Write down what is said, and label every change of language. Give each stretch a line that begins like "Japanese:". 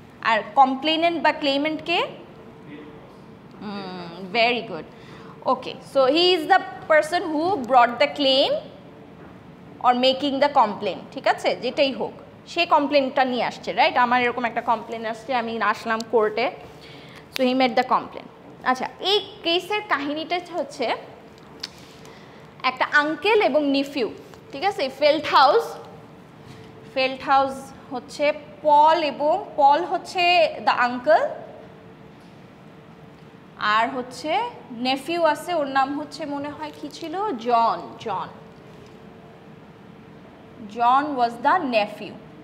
Bangla: আর complainant বা claimant K?
English: Very good. Okay, so he is the person who brought the claim or making the complaint.
Bangla: ঠিক আছে? যেটাই হোক. সে কমপ্লেনটা নিয়ে আসছে, রাইট? আমার এরকম একটা কমপ্লেন আসছে, আমি আসলাম কোর্টে,
English: So he made the complain.
Bangla: আচ্ছা, এই কেসের কাহিনীটা হচ্ছে একটা আঙ্কেল এবং নিফিউ, ঠিক আছে? ফেল্টহাউস, ফেল্টহাউস হচ্ছে পল, এবং পল হচ্ছে দ্য আঙ্কেল, আর হচ্ছে নেফিউ আছে, ওর নাম হচ্ছে মনে হয় কি ছিল, জন, জন,
English: John was the nephew.